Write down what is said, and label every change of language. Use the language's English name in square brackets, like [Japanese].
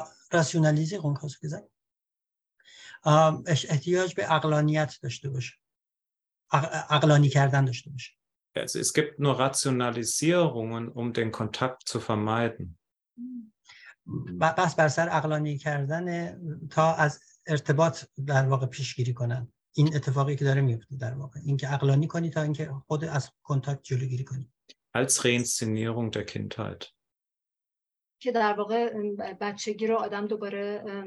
[German] Rationalisierung, hast du gesagt? Es [Persian] احتیاج به عقلانیت داشته باشه. عقلانی کردن داشته باشه. [German] Es gibt nur Rationalisierungen, um den Kontakt zu vermeiden. [Persian] بس بر سر عقلانی کردن تا از ارتباط در واقع پیشگیری کنن. این اتفاقی که داره میفته در واقع. اینکه عقلانی کنی تا اینکه خود از کنتاکت جلوگیری کنی. [German] Als Reinszenierung der Kindheit. [Persian] که در واقع بچگی رو آدم دوباره